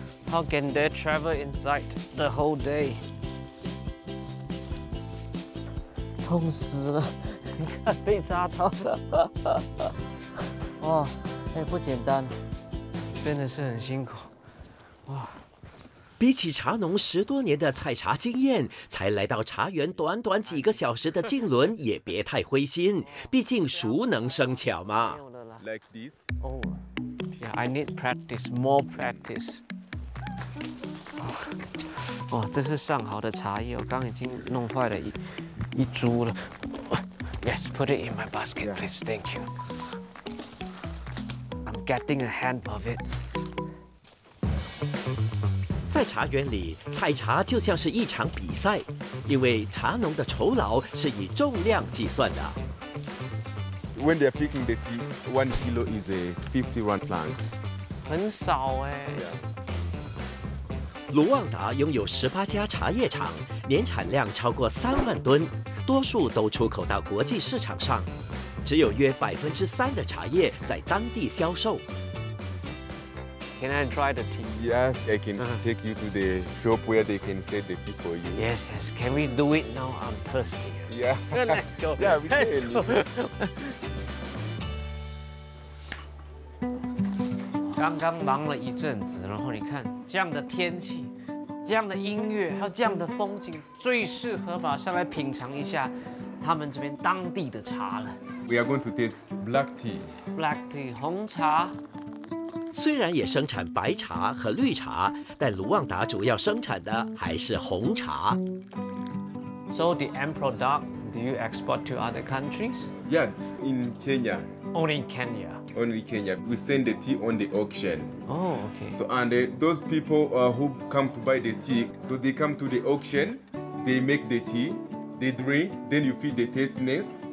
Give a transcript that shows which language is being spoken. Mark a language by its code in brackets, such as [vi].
[en] How can they travel inside the whole day? [zh] 痛死了，你看被扎到了，哇，不简单，真的是很辛苦，哇。比起茶农10多年的采茶经验，才来到茶园短短几个小时的靖伦也别太灰心，毕竟熟能生巧嘛。 [en] Like this? Oh, yeah. I need practice, more practice. [zh] 哇，这是上好的茶叶，我刚已经弄坏了一株了。 [en] Yes, put it in my basket, please. Thank you. I'm getting a hand of it. [zh] 在茶园里，采茶就像是一场比赛，因为茶农的酬劳是以重量计算的。 [en] When they're picking the tea, 1 kilo is a 50 rand plants. [zh] 很少哎。卢旺达拥有18家茶叶厂，年产量超过30000吨。多数都出口到国际市场上，只有约3%的茶叶在当地销售。 [en] Can I try the tea? Yes, I can take you to the shop where they can set the tea for you. Yes, yes. Can we do it now? I'm thirsty. Yeah. Let's go. Yeah, we can. Let's go. [zh] 刚刚忙了一阵子，然后你看这样的天气。这样的音乐还有这样的风景，最适合马上来品尝一下他们这边当地的茶了。 [en] We are going to taste black tea. Black tea, [zh] 红茶。虽然也生产白茶和绿茶，但卢旺达主要生产的还是红茶。 [en] So the end product, do you export to other countries? Yeah, in Kenya. Only in Kenya. Only Kenya. We send the tea on the auction. Oh, okay. So, and those people who come to buy the tea, so they come to the auction, they make the tea, they drink, then you feed the tastiness.